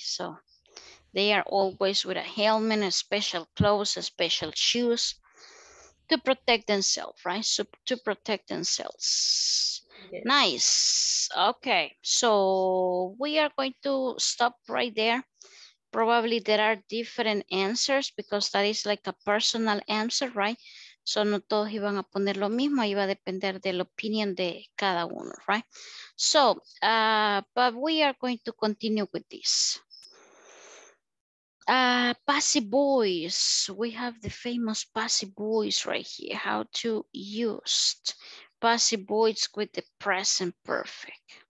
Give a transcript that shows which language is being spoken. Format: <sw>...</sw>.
<en>So they are always with a helmet, a special clothes, a special shoes to protect themselves, right? So to protect themselves. Yes. Nice. Okay, so we are going to stop right there. Probably there are different answers because that is like a personal answer, right?</en> <es>So no todos iban a poner lo mismo. Iba a depender de la opinión de cada uno, right?</es> <en>So, but we are going to continue with this. Passive voice. We have the famous passive voice right here. How to use passive voice with the present perfect.</en>